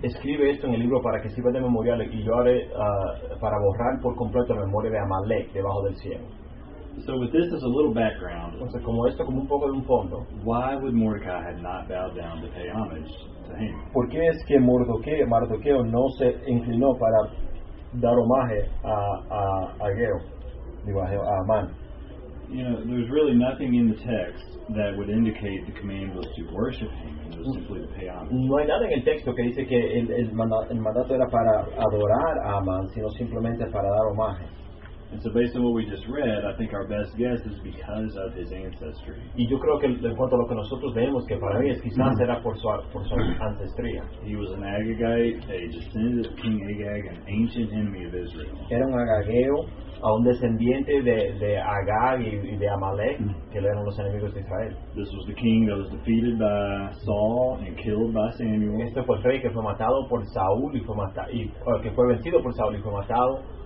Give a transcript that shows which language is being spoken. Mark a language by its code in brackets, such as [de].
[es] Escribe esto en el libro para que sirva de memorial y yo haré para borrar por completo la memoria de Amalek debajo del cielo. [en] So with this as a little background, [es] entonces, como esto, como un poco de un fondo, [en] why would Mordecai have not bowed down to pay homage to him? [es] ¿Por qué es que Mardoqueo no se inclinó para dar homaje a Geo, digo, a Amán? [en] You know, there's really nothing in the text that would indicate the command was to worship him, it was simply to pay homage. [es] No hay nada en el texto que dice que el mandato era para adorar a Amán, sino simplemente para dar homaje. [en] And so based on what we just read, I think our best guess is because of his ancestry. [es] Y yo creo que en cuanto a lo que nosotros vemos, que para mí es quizás era por su ancestría. [en] He was an Agagite, a descendant of King Agag, an ancient enemy of Israel. [es] Era un agageo, a un descendiente de Agag y de Amalek, que eran los enemigos de Israel. [en] This was the king that was defeated by Saul and killed by Samuel. [es] Este fue el rey que fue matado por Saúl y fue vencido por Saúl y fue matado.